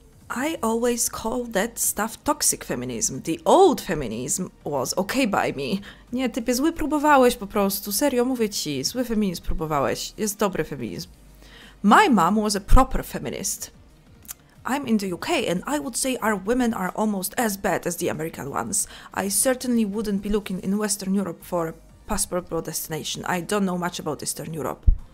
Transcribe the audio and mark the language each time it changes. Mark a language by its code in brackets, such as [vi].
[en] I always call that stuff toxic feminism. The old feminism was okay by me. [pl] Nie, typie, zły próbowałeś po prostu. Serio, mówię ci, zły feminizm próbowałeś. Jest dobry feminizm. [en] My mom was a proper feminist. I'm in the UK and I would say our women are almost as bad as the American ones. I certainly wouldn't be looking in Western Europe for a passport destination. I don't know much about Eastern Europe.